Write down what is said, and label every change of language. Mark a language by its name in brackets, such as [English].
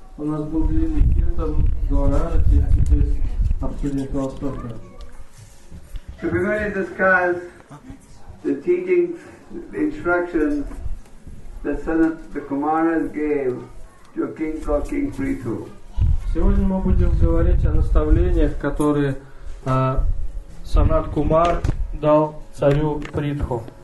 [Russian] У нас был длинный кетом до рара, теперь обсудим философию. [English] So we're going to discuss the teachings, the instructions that the Kumaras gave to King called King Prithu. [Russian] Сегодня мы будем говорить о наставлениях, которые Санат Кумар дал царю Притху.